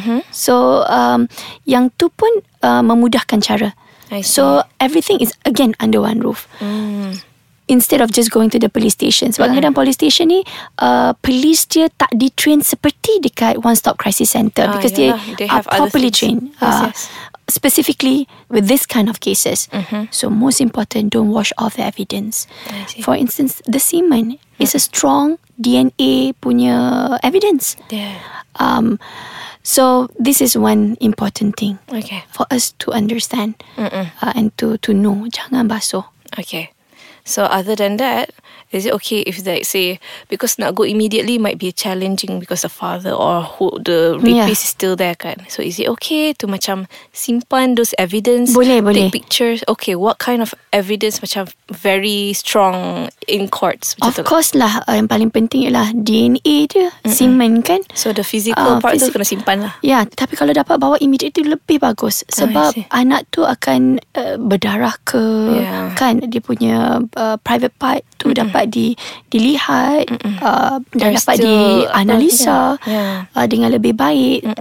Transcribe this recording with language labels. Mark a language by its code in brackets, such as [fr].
[ms] So yang tu pun memudahkan cara. [en] So everything is again under one roof. Instead of just going to the police station. [ms] Sebab kadang-kadang [en] police station [ms] ni, police dia tak di-train seperti dekat [en] one-stop crisis center. Because they are properly trained. Specifically with this kind of cases. So most important, don't wash off the evidence. For instance, the semen is a strong DNA [ms] punya [en] evidence. Yeah. So this is one important thing. Okay. For us to understand and to know. [ms] Jangan basuh. [en] Okay. So other than that, is it okay if they say, because [ms] nak [en] go immediately might be challenging because the father or who the rapist is still there, [ms] kan? [en] So is it okay to [ms] macam simpan [en] those evidence? [ms] Boleh, boleh. [en] Take pictures? Okay, what kind of evidence [ms] macam [en] very strong in courts? Of course [ms] lah, yang paling penting ialah DNA dia, semen kan? [en] So the physical part [ms] tu kena simpan lah. Ya, yeah, tapi kalau dapat bawa [en] immediate [ms] tu lebih bagus. Sebab anak tu akan berdarah ke, kan? Dia punya [en] private part [ms] tu dapat dilihat dan dapat dianalisa dengan lebih baik.